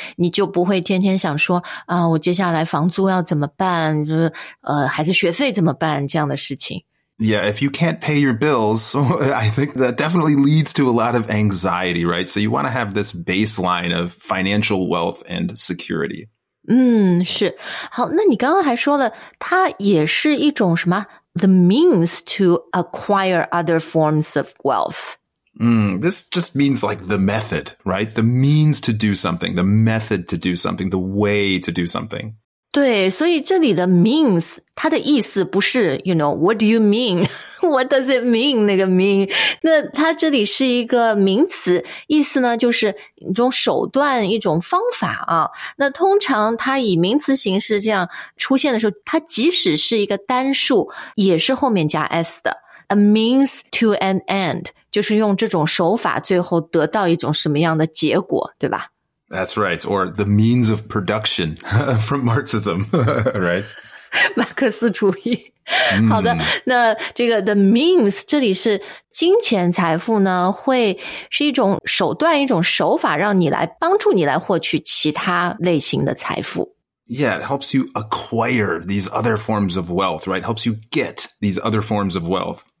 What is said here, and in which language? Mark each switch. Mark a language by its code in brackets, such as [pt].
[zh] 你就不会天天想说啊，我接下来房租要怎么办？就是孩子学费怎么办？这样的事情。 [en] Yeah, if you can't pay your bills, I think that definitely leads to a lot of anxiety, right? So you want to have this baseline of financial wealth and security. [zh] 嗯，是。好，那你刚刚还说了，它也是一种什么 ？ [en] The means to acquire other forms of wealth. This just means like the method, right? The means to do something, the method to do something, the way to do something. [zh] 对，所以这里的 means 它的意思不是 [en] you know what do you mean what does it mean [zh] 那个 mean 那它这里是一个名词，意思呢就是一种手段，一种方法啊。那通常它以名词形式这样出现的时候，它即使是一个单数，也是后面加 s 的 [en] a means to an end， [zh] 就是用这种手法最后得到一种什么样的结果，对吧？ [en] That's right, or the means of production from Marxism, right? [zh] 马克思主义。好的，那这个 the means 这里是金钱财富呢，会是一种手段，一种手法，让你来帮助你来获取其他类型的财富。 [en] Yeah, it helps you acquire these other forms of wealth, right? Helps you get these other forms of wealth.